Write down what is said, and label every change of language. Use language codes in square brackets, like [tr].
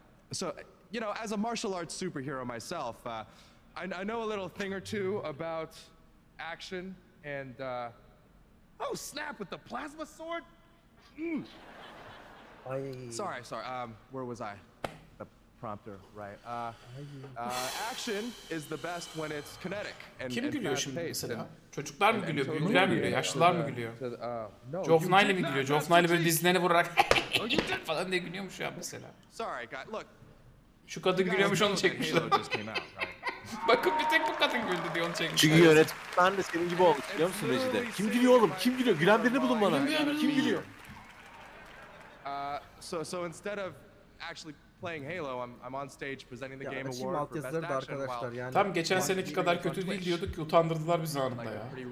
[en] So, you know, as a martial arts superhero myself, I know a little thing or two about action, and, Oh, snap, with the plasma sword? Sorry, where was I? The prompter, right. Action is the best when it's kinetic and fast-paced. [tr] Çocuklar mı gülüyor, büyükler mi gülüyor, yaşlılar mı gülüyor? Joe Fnile mi gülüyor? Joe Fnile böyle dizilerini vurarak falan diye gülüyormuş ya mesela. Şu kadın gülüyormuş, onu çekmişler. Bakın bir tek bu kadın güldü diye onu çekmişler. Çünkü yönetmen de senin gibi olmuş biliyor musun Recep? Kim gülüyor oğlum? Kim gülüyor? Gülen birini bulun bana. Kim gülüyor? [en] So instead of actually playing Halo, I'm on stage presenting the [tr] ya, [en] Game Award for Best Action. [tr] Arkadaşlar yani. Tam geçen seneki kadar kötü değil diyorduk ki utandırdılar bizi anında ya.